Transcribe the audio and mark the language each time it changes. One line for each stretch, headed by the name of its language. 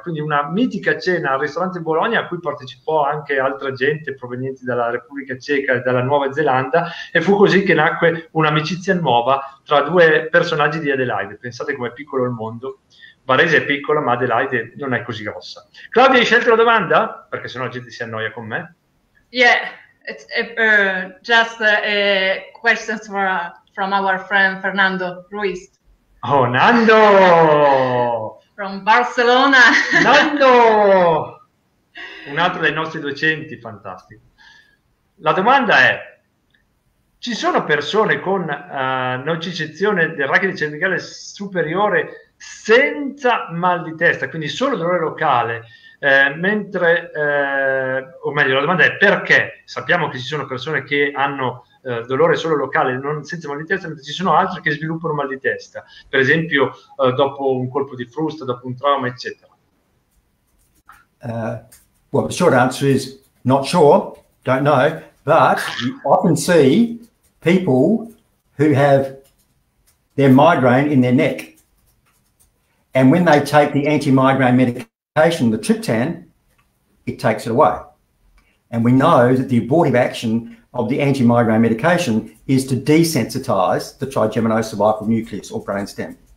Italian: Quindi una mitica cena al ristorante Bologna a cui partecipò anche altra gente proveniente dalla Repubblica Ceca e dalla Nuova Zelanda, e fu così che nacque un'amicizia nuova tra due personaggi di Adelaide. Pensate com'è piccolo il mondo. Varese è piccola, ma Adelaide non è così grossa. Claudia, hai scelto la domanda? Perché sennò la gente si annoia con me.
English: Yeah, it's just a question from our friend Fernando Ruiz. Oh, Nando! From Barcelona!
Italian: Nando! Un altro dei nostri docenti, fantastico. La domanda è, ci sono persone con nocicezione del racchio cervicale superiore senza mal di testa, quindi solo dolore locale, mentre, o meglio, la domanda è perché? Sappiamo che ci sono persone che hanno dolore solo locale, non senza mal di testa, ma ci sono altri che sviluppano mal di testa, per esempio dopo un colpo di frusta, dopo un trauma, eccetera.
English: Well, the short answer is not sure, don't know, but you often see people who have their migraine in their neck, and when they take the anti-migraine medication, the triptan, it takes it away, and we know that the abortive action of the anti-migraine medication is to desensitize the trigeminocervical nucleus or brainstem.